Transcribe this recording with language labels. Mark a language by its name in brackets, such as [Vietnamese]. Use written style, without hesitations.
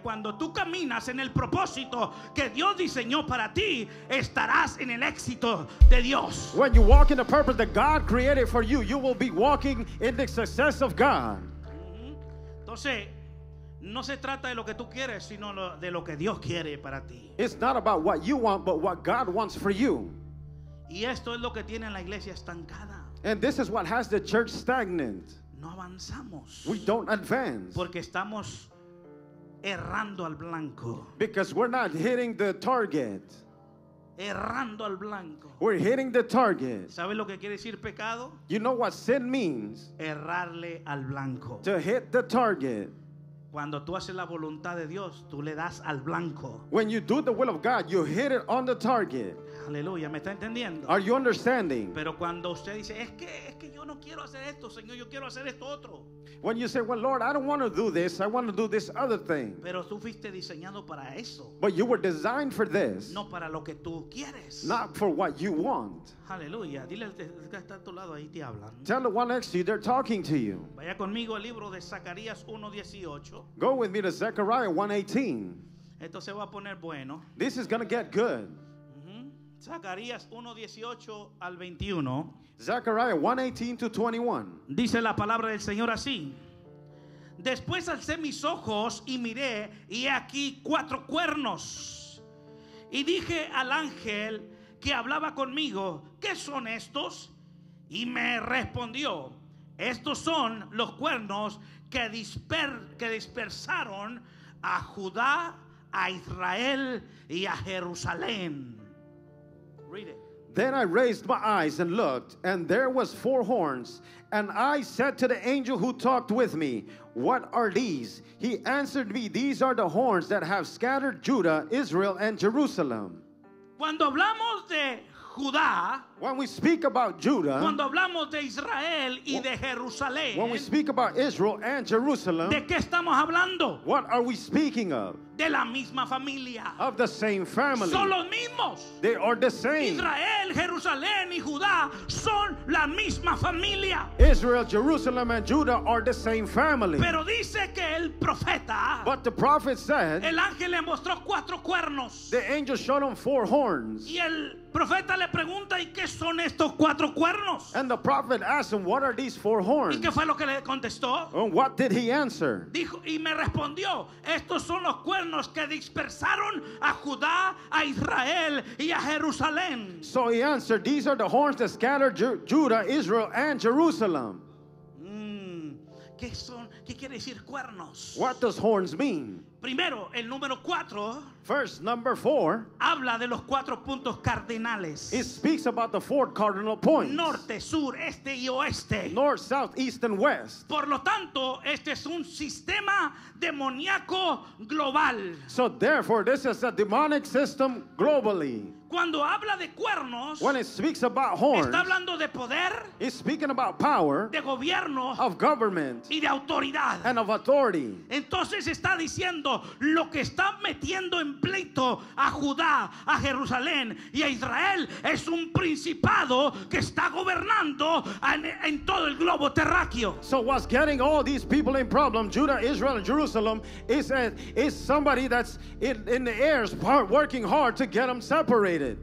[Spanish] Cuando tú caminas en el propósito que Dios diseñó para ti, estarás en el éxito de Dios. [English] When you walk in the purpose that God created for you, you will be walking in the success of God. [Spanish] Entonces, no se trata de lo que tú quieres, sino de lo que Dios quiere para ti. [English] It's not about what you want, but what God wants for you. [Spanish] Y esto es lo que tiene la iglesia estancada. [English] And this is what has the church stagnant. [Spanish] No avanzamos. [English] We don't advance. [Spanish] Porque estamos errando al blanco. [English] Because we're not hitting the target. [Spanish] Errando al blanco. [English] We're hitting the target. [Spanish] ¿Sabes lo que quiere decir pecado? [English] You know what sin means? [Spanish] Errarle al blanco. [English] To hit the target. [Spanish] Cuando tú haces la voluntad de Dios, tú le das al blanco. [English] When you do the will of God, you hit it on the target. [Spanish] Aleluya, ¿me está entendiendo? [English] Are you understanding? [Spanish] Pero cuando usted dice, es que yo no quiero hacer esto, Señor, yo quiero hacer esto otro. [English] When you say, well, Lord, I don't want to do this, I want to do this other thing. [Spanish] Pero tú fuiste diseñado para eso. [English] But you were designed for this. [Spanish] No para lo que tú quieres. [English] Not for what you want. [Spanish] Aleluya, dile al que está a tu lado, ahí te hablan. [English] Tell the one next to you, they're talking to you. [Spanish] Vaya conmigo al libro de Zacarías 1:18. [English] Go with me to Zechariah 1:18. [Spanish] Esto se va a poner bueno. [English] This is going to get good. [Spanish] Zacarías 1:18 al 21. [English] Zechariah 1:18-21. [Spanish] Dice la palabra del Señor así: Después alcé mis ojos y miré, y aquí cuatro cuernos. Y dije al ángel que hablaba conmigo: ¿Qué son estos? Y me respondió: Estos son los cuernos que dispersaron a Judá, a Israel y a Jerusalén. [English] Then I raised my eyes and looked, and there was four horns. And I said to the angel who talked with me, What are these? He answered me, These are the horns that have scattered Judah, Israel, and Jerusalem. [Spanish] Cuando hablamos de Judá, [English] when we speak about Judah, [Spanish] cuando hablamos de Israel y de Jerusalén, [English] when we speak about Israel and Jerusalem, [Spanish] ¿de qué estamos hablando? [English] What are we speaking of? [Spanish] De la misma familia. [English] Of the same family. [Spanish] Son los mismos. [English] They are the same. [Spanish] Israel, Jerusalén y Judá son la misma familia. [English] Israel, Jerusalem and Judah are the same family. [Spanish] Pero dice que el profeta, [English] but the prophet said, [Spanish] el ángel le mostró cuatro cuernos. [English] The angel showed him four horns. [Spanish] Y el profeta le pregunta, ¿y qué son estos cuatro cuernos? [English] And the prophet asked him, what are these four horns? [Spanish] ¿Y qué fue lo que le contestó? [English] And what did he answer? [Spanish] Dijo, y me respondió, estos son los cuernos que dispersaron a Judá, a Israel y a Jerusalén. [English] So he answered, these are the horns that scattered Judah, Israel and Jerusalem. [Spanish] ¿Qué son? ¿Qué quiere decir cuernos? [English] What does horns mean? [Spanish] Primero, el número cuatro. [English] First, number four. [Spanish] Habla de los cuatro puntos cardinales. [English] It speaks about the four cardinal points. [Spanish] Norte, sur, este y oeste. [English] North, south, east and west. [Spanish] Por lo tanto, este es un sistema demoníaco global. [English] So therefore, this is a demonic system globally. [Spanish] Cuando habla de cuernos, [English] when it speaks about horns, [Spanish] está hablando de poder, [English] it's speaking about power, [Spanish] de gobierno, [English] of government, [Spanish] y de autoridad, [English] and of authority. [Spanish] Entonces está diciendo lo que está metiendo en pleito a Judá, a Jerusalén y a Israel es un principado que está gobernando en todo el globo terráqueo. [English] So what's getting all these people in problem, Judah, Israel, and Jerusalem, is somebody that's in the air working hard to get them separated.